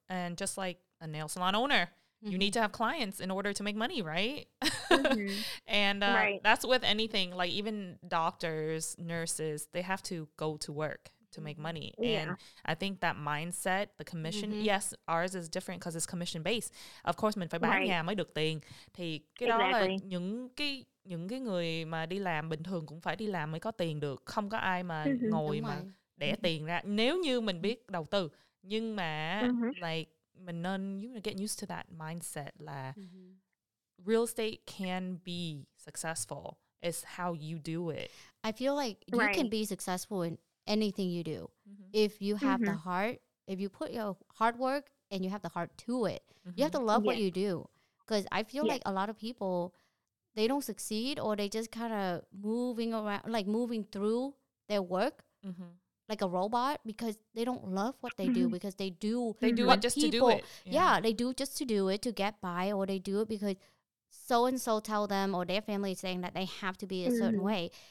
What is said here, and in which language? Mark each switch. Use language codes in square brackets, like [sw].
[en] And just like a nail salon owner, you need to have clients in order to make money, right? Mm-hmm. And that's with anything, like even doctors, nurses, they have to go to work to make money. Yeah. And I think that mindset, the commission, yes, ours is different because it's commission-based. Of course, [vi] mình phải bán hàng mới được tiền. Thì cái đó là những cái người mà đi làm bình thường cũng phải đi làm mới có tiền được. Không có ai mà ngồi mà đẻ tiền ra. Nếu như mình biết đầu tư, nhưng mà like, mình nên, [en] you know, get used to that mindset [vi] là [en] real estate can be successful. It's how you do it. I feel like you can be successful in anything you do. If you have the heart, if you put your hard work and you have the heart to it, you have to love what you do. Because I feel like a lot of people, they don't succeed, or they just kind of moving around, like moving through their work like a robot, because they don't love what they do, because they do it just to do it to get by, or they do it because so and so tell them, or their family is saying that they have to be a certain way.